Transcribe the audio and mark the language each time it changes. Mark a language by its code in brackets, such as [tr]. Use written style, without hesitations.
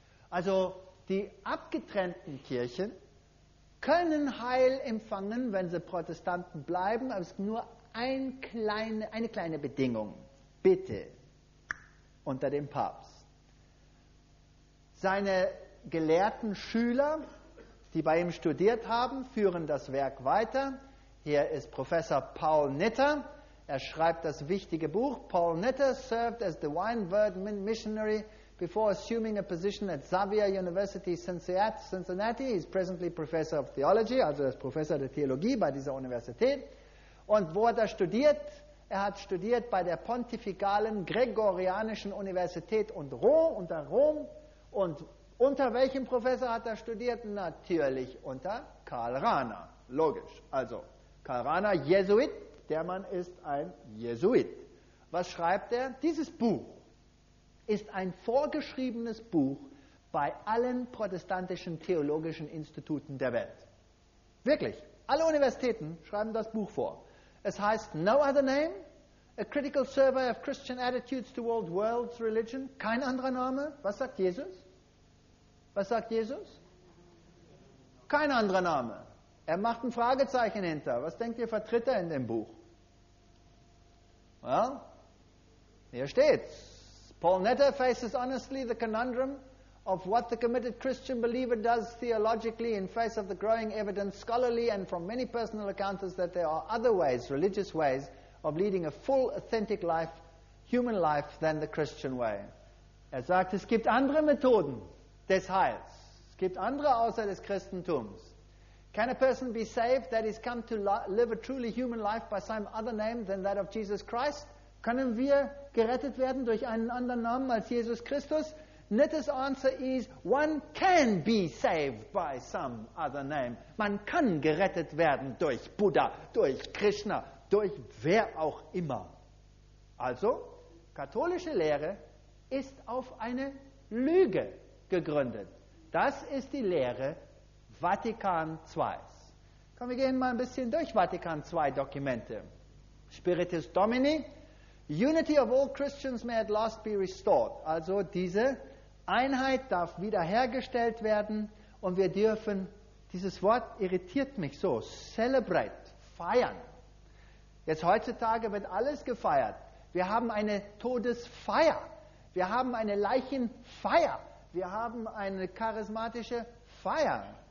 [de] Also die abgetrennten Kirchen können Heil empfangen, wenn sie Protestanten bleiben, aber es ist nur eine kleine Bedingung. Bitte, unter dem Papst. Seine gelehrten Schüler, die bei ihm studiert haben, führen das Werk weiter. Hier ist Professor Paul Nitter. Er schreibt das wichtige Buch. [en] Paul Nitter served as the One Word Missionary before assuming a position at Xavier University Cincinnati. He is presently Professor of Theology, [de] also er ist Professor der Theologie bei dieser Universität. Und wo hat er studiert? Er hat studiert bei der Pontifikalen Gregorianischen Universität unter Rom. Und unter welchem Professor hat er studiert? Natürlich unter Karl Rahner. Logisch. Also, Karl Rahner, Jesuit. Der Mann ist ein Jesuit. Was schreibt er? Dieses Buch ist ein vorgeschriebenes Buch bei allen protestantischen theologischen Instituten der Welt. Wirklich. Alle Universitäten schreiben das Buch vor. Es heißt No Other Name, A Critical Survey of Christian Attitudes Toward World's Religion. Kein anderer Name. Was sagt Jesus? Was sagt Jesus? Kein anderer Name. Er macht ein Fragezeichen hinter. Was denkt ihr, vertritt er in dem Buch? Well, hier steht's. [en] Paul Netter faces honestly the conundrum of what the committed Christian believer does theologically in face of the growing evidence scholarly and from many personal accounts that there are other ways, religious ways, of leading a full, authentic life, human life, than the Christian way. [de] Er sagt, es gibt andere Methoden des Heils. Es gibt andere außer des Christentums. [en] Can a person be saved that has come to live a truly human life by some other name than that of Jesus Christ? [de] Können wir gerettet werden durch einen anderen Namen als Jesus Christus? [en] Nitter's answer is, one can be saved by some other name. [de] Man kann gerettet werden durch Buddha, durch Krishna, durch wer auch immer. Also, katholische Lehre ist auf eine Lüge gegründet. Das ist die Lehre Vatikan II. Komm, wir gehen mal ein bisschen durch Vatikan II Dokumente. [en] Spiritus Domini, Unity of all Christians may at last be restored. [de] Also diese Einheit darf wiederhergestellt werden und wir dürfen, dieses Wort irritiert mich so, celebrate, feiern. Jetzt heutzutage wird alles gefeiert. Wir haben eine Todesfeier, wir haben eine Leichenfeier, wir haben eine charismatische Feier.